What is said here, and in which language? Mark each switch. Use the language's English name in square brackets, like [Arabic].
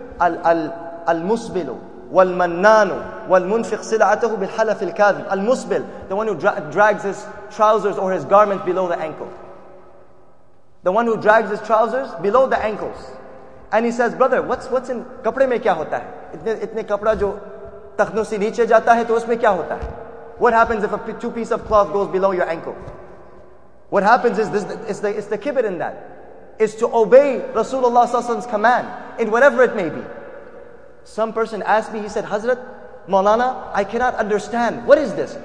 [English] Al-musbilu [Arabic] وَالْمَنَّانُ وَالْمُنْفِقْ سِلَعَتَهُ بِالْحَلَفِ الْكَاذِبِ [English] Al-musbil, the one who drags his trousers or his garment below the ankle. The one who drags his trousers below the ankles. And he says, brother, what's in [Urdu] کپڑے میں کیا ہوتا ہے? اتنے کپڑا جو ٹخنوں سے نیچے جاتا ہے، تو اس میں کیا ہوتا ہے؟ [English] What happens if a two-piece of cloth goes below your ankle? What happens is, it's the kibir in that. It's to obey Rasulullah s.a.w.'s command in whatever it may be. Some person asked me, he said, Hazrat, Maulana, I cannot understand. What is this?